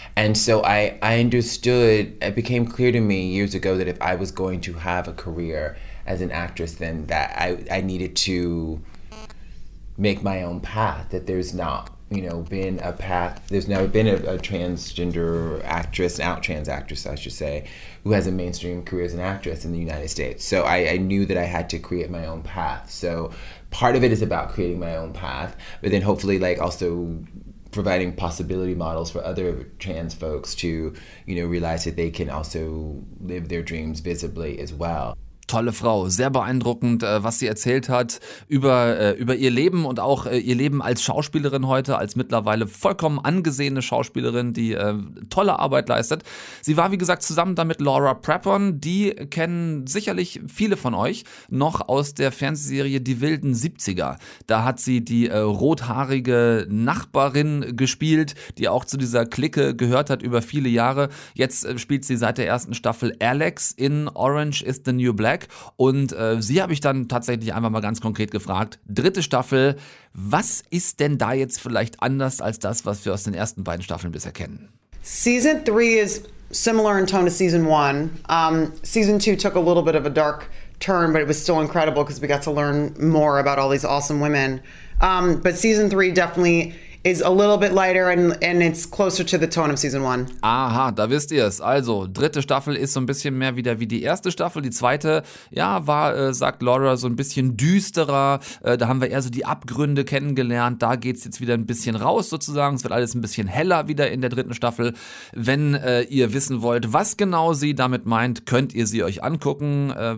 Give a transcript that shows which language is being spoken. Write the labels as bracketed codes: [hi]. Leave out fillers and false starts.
[en] And so I understood, it became clear to me years ago that if I was going to have a career as an actress, then that I needed to make my own path, that there's not, you know, been a path, there's never been a transgender actress, an out trans actress, I should say, who has a mainstream career as an actress in the United States. So I knew that I had to create my own path. So part of it is about creating my own path, but then hopefully like also providing possibility models for other trans folks to, you know, realize that they can also live their dreams visibly as well. [de] Tolle Frau, sehr beeindruckend, was sie erzählt hat über ihr Leben und auch ihr Leben als Schauspielerin heute, als mittlerweile vollkommen angesehene Schauspielerin, die tolle Arbeit leistet. Sie war, wie gesagt, zusammen damit Laura Prepon, die kennen sicherlich viele von euch noch aus der Fernsehserie Die wilden 70er. Da hat sie die rothaarige Nachbarin gespielt, die auch zu dieser Clique gehört hat über viele Jahre. Jetzt spielt sie seit der ersten Staffel Alex in Orange is the New Black. Und sie habe ich dann tatsächlich einfach mal ganz konkret gefragt, dritte Staffel, was ist denn da jetzt vielleicht anders als das, was wir aus den ersten beiden Staffeln bisher kennen? [en] Season 3 is similar in tone to Season 1. Season 2 took a little bit of a dark turn, but it was still incredible because we got to learn more about all these awesome women. But Season 3 definitely is a little bit lighter and it's closer to the tone of Season 1. [de] Aha, da wisst ihr es. Also, dritte Staffel ist so ein bisschen mehr wieder wie die erste Staffel. Die zweite, ja, war, sagt Laura, so ein bisschen düsterer. Da haben wir eher so die Abgründe kennengelernt. Da geht's jetzt wieder ein bisschen raus sozusagen. Es wird alles ein bisschen heller wieder in der dritten Staffel. Wenn ihr wissen wollt, was genau sie damit meint, könnt ihr sie euch angucken.